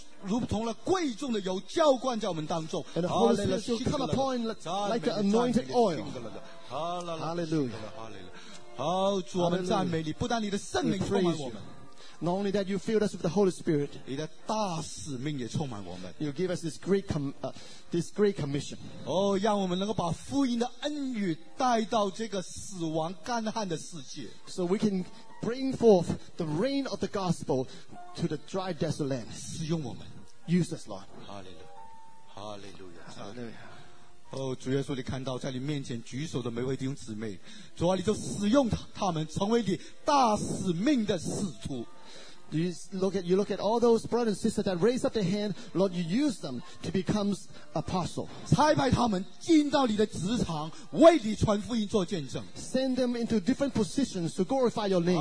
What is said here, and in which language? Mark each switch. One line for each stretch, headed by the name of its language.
Chinese: 如同了贵重的油浇灌在我们当中。
English: And the Holy Spirit shall come upon like an anointed oil. Hallelujah.
Chinese: 好，主，我们赞美你，不但你的圣灵充满我们。
English: Not only that, you filled us with the Holy Spirit.
Chinese: 你的大使命也充满我们。
English: You give us this great commission.
Chinese: 哦，让我们能够把福音的恩语带到这个死亡干旱的世界。
English: So we can bring forth the rain of the gospel to the dry, desolate land.
Chinese: 使用我们。
English: Use us, Lord. Hallelujah. Hallelujah. Hallelujah.
Chinese: 哦，主耶稣，你看到在你面前举手的每位弟兄姊妹，主啊，你就使用他们成为你大使命的使徒。
English: You look at all those brothers and sisters that raise up their hand, Lord, you use them to become apostles. Send them into different positions to glorify your name.